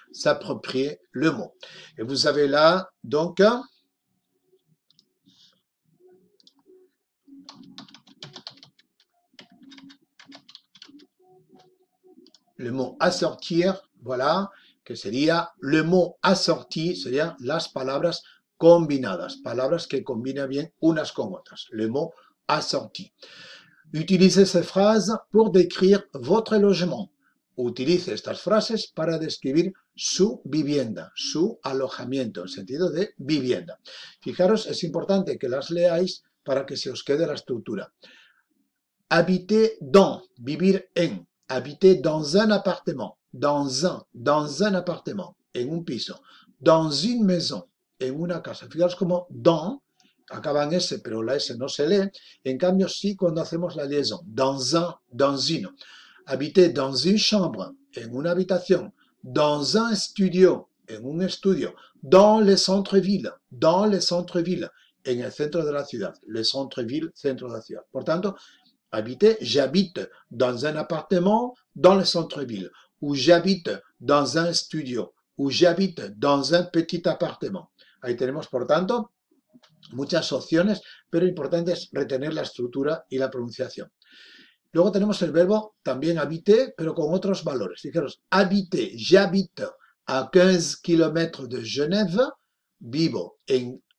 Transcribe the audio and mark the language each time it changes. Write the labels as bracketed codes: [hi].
[fr] S'approprier le mot. Et vous avez là, donc, le mot assortir, voilà, [es] que sería le mot assorti, sería las palabras combinadas, palabras que combinan bien unas con otras, le mot assorti. [fr] Utilisez ces phrases pour décrire votre logement. [es] Utilisez estas frases para describir su vivienda, su alojamiento, en sentido de vivienda. Fijaros, es importante que las leáis para que se os quede la estructura. [fr] Habiter dans, [es] vivir en, [fr] habiter dans un appartement, dans un appartement, [es] en un piso, [fr] dans une maison, [es] en una casa. Fijaros como dans, acaba en S, pero la S no se lee. En cambio, sí cuando hacemos la liaison. [fr] Dans un, dans une. Habiter dans une chambre, [es] en una habitación. [fr] Dans un studio, [es] en un estudio. [fr] Dans le centre-ville, dans le centre-ville. [es] En el centro de la ciudad. Le centre-ville, centro de la ciudad. Por tanto, [fr] habiter, j'habite dans un appartement, dans le centre-ville. Ou j'habite dans un studio. Ou j'habite dans un petit appartement. [es] Ahí tenemos, por tanto, muchas opciones, pero importante es retener la estructura y la pronunciación. Luego tenemos el verbo también habiter, pero con otros valores. Fijaros, habiter, j'habite a 15 kilómetros de Genève, vivo en